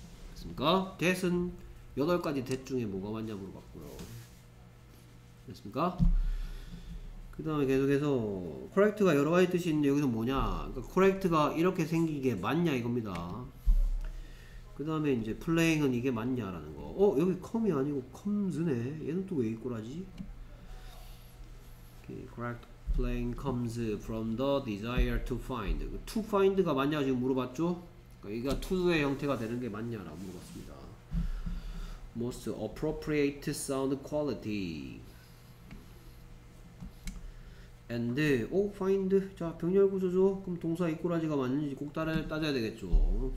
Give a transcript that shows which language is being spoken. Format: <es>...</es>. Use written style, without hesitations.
<ko>됐습니까? that은 8가지 that 중에 뭐가 맞냐 물어봤고요. 됐습니까? 그 다음에 계속해서 correct가 여러가지 뜻이 있는데 여기서 뭐냐? 그러니까 correct가 이렇게 생기게 맞냐 이겁니다. 그 다음에 이제 플레잉은 이게 맞냐라는 거. 어? 여기 come이 아니고 comes네. 얘는 또 왜 이꼬라지?</ko> <en>Okay, correct playing comes from the desire to find. To find</en> <ko>가 맞냐 지금 물어봤죠? 그러니까 얘가 to의 형태가 되는 게 맞냐라고 물어봤습니다.</ko> <en>most appropriate sound quality.</en> <ko>and 오 find 자 병렬구조죠. 그럼 동사 이꼬라지가 맞는지 꼭 따져야 되겠죠.</ko>